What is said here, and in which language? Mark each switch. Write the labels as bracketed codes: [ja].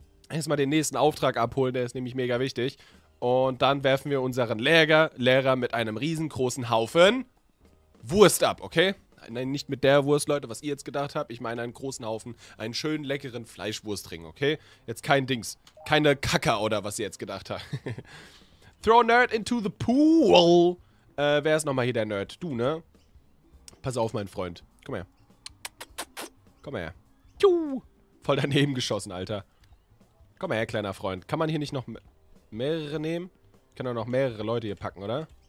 [de] Erstmal den nächsten Auftrag abholen, der ist nämlich mega wichtig. Und dann werfen wir unseren Lehrer mit einem riesengroßen Haufen Wurst ab, okay? Nein, nicht mit der Wurst, Leute, was ihr jetzt gedacht habt. Ich meine einen großen Haufen, einen schönen, leckeren Fleischwurstring, okay? Jetzt kein Dings, keine Kacke, oder was ihr jetzt gedacht habt. [en] Throw Nerd into the pool. [de] Wer ist nochmal hier der Nerd? Du, ne? Pass auf, mein Freund. Komm her. Juhu. Voll daneben geschossen, Alter. Komm her, kleiner Freund. Kann man hier nicht noch mehrere nehmen? Ich kann doch noch mehrere Leute hier packen, oder?